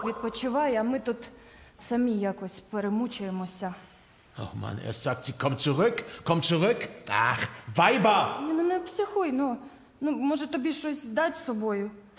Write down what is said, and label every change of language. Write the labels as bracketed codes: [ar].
[uk] Відпочивай, а ми тут самі якось перемучуємося. [de] Ох, Mann, erst sagt sie, komm zurück. Ach, Weiber! [uk] Ні, не психуй, ну, може тобі щось дати з собою?